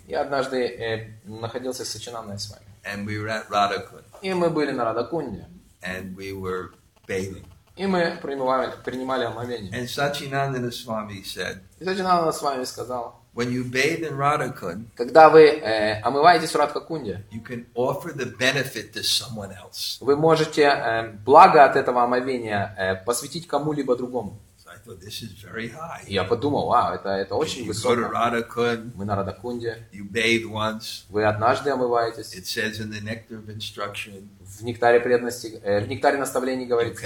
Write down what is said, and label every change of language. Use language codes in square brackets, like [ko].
[ru] Я однажды находился с Сачинандой Свами. [en] And we were at Radhakund. [ru] И мы были на Радхакунде. [en] And we were bathing. [ru] И мы принимали омовение. [en] And Satchinandana Swami said. [ru] И Сачинандана Свами сказал. [en] When you bathe in Radhakund, [ru] когда вы омываетесь в Радхакунде, [en] you can offer the benefit to someone else. [ru] Вы можете благо от этого омовения посвятить кому-либо другому. [en] This is very high. [ru] Я подумал, вау, это очень высоко. [en] You go to Radhakund, [ru] мы на Радхакунде. [en] You bathe once. [ru] Вы однажды омываетесь. [en] It says in the Nectar of Instruction. [ru] В Нектаре преданности, в Нектаре наставлений говорится.